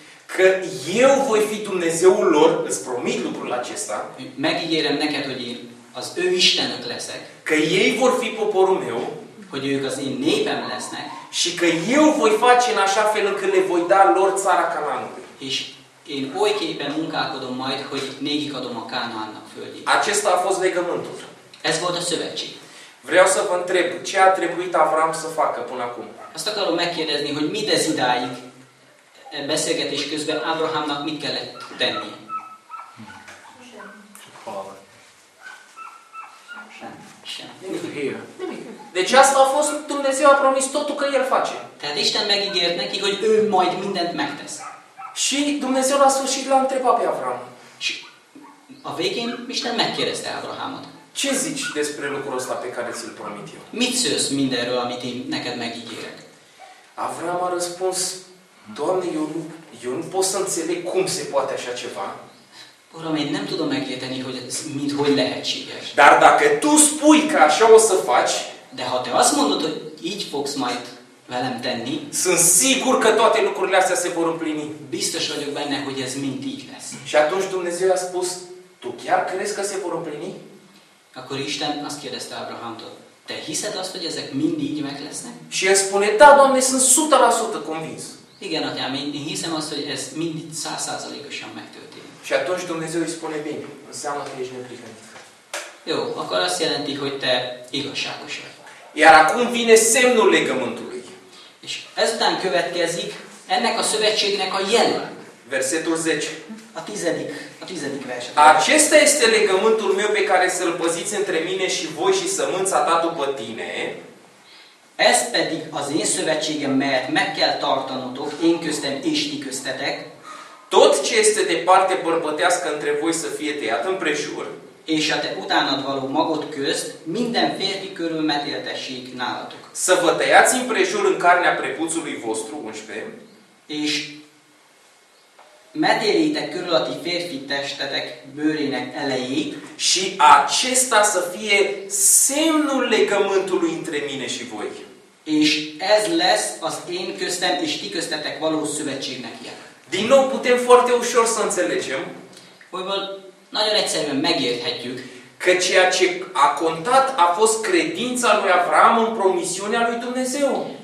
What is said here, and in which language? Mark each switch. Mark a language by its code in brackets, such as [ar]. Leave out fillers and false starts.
[ro] că eu voi fi Dumnezeul lor, îți promit lucrul acesta, [hu] megígérem neked, hogy én az ő istenök leszek, [ro] că ei vor fi poporul meu, [hu] hogy ők az én népem lesznek, [ro] și că eu voi face în așa fel încât le voi da lor țara Canaanului. [hu] És én oly képen munkálkodom majd, hogy nékik adom a Kánaánnak földjét. [ro] Acesta a fost legământul. [hu] Ez volt a szövetség. [ro] Vreau să vă întreb, ce a trebuit Avram să facă până acum? [hu] Azt akarom megkérdezni, hogy mi de zidáig beszélgetés közben Ábrahámnak mit kellett tenni? Semmi. [ro] Deci asta a fost, Dumnezeu a promis totul că El face. [hu] Tehát Isten megígért neki, hogy ő majd mindent megtesz. [ro] Și Dumnezeu la sfârșit l-a întrebat pe Avram. [hu] Și a végén Isten megkérdezte Ábrahámot. [ro] Ce zici despre lucrul ăsta pe care ți-l promit eu? [hu] Mit szősz mindenről, amit én neked megígérek? [ro] Avram a răspuns, Doamne, eu nu pot să înțeleg cum se poate așa ceva. [hu] Uram, én nem tudom megérteni, hogy ez mind hogy lehetséges. [ro] Dar dacă tu spui că așa o să faci, [hu] de ha te azt mondod, hogy így fogsz majd velem tenni, [ro] sunt sigur că toate lucrurile astea se vor împlini. [hu] Biztos vagyok benne, hogy ez mind így lesz. [ro] Și atunci Dumnezeu a spus, tu chiar crezi că se vor împlini? [hu] Akkor Isten azt kérdezte Ábrahámtól, te hiszed azt, hogy ezek mind így meg lesznek? [ro] Și el spune, da, Doamne, sunt 100% convins. [hu] Igen, atyám, én hiszem azt, hogy ez mind 100%-osan megtörténik. [ro] Și atunci Dumnezeu îi spune, bine, înseamnă că ești neprihănit. [hu] Jó, akkor azt jelenti, hogy te igazságos vagy. [ro] Iar acum vine semnul legământului. [hu] És ezután következik ennek a szövetségnek a jel. [ro] Versetul 10. [hu] A tizedik verset. [ro] Acesta este legământul meu pe care să-l păziți între mine și voi și sămânța ta după tine. [hu] Ez pedig az én szövetségem, melyet meg kell tartanotok, én köztem és ti köztetek. [ro] Tot ce este de parte bărbătească între voi să fie tăiat împrejur. [hu] És a te utánad való magot közt, minden férfi körül metéltessék nálatok. [ro] Să vă tăiați împrejur în carnea prepuțului vostru, 11. [hu] És metélitek körül a ti férfi testetek bőrének elejét, [ro] și acesta să fie semnul legământului între mine și voi. [hu] És ez lesz az én köztem és ti köztetek való szövetségnek jel. [ro] Din nou putem foarte ușor să înțelegem, [hu] hogyval nagyon egyszerűen megérthetjük, [ro] că ceea ce a contat a fost credința lui Avram în promisiunea lui Dumnezeu.